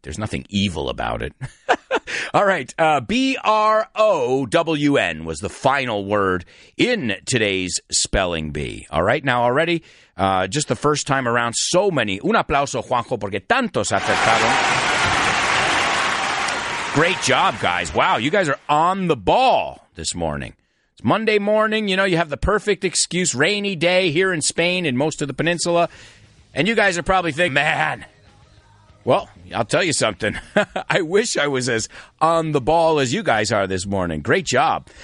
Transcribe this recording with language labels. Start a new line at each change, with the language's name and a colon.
English: There's nothing evil about it. All right. B-R-O-W-N was the final word in today's spelling bee. All right. Now, already, just the first time around, so many.
Spanish: Un aplauso, Juanjo, porque tantos acertaron.
English: Great job, guys. Wow, you guys are on the ball this morning. Monday morning, you know, you have the perfect excuse, rainy day here in Spain and most of the peninsula. And you guys are probably thinking, man, Well, I'll tell you something. I wish I was as on the ball as you guys are this morning. Great job.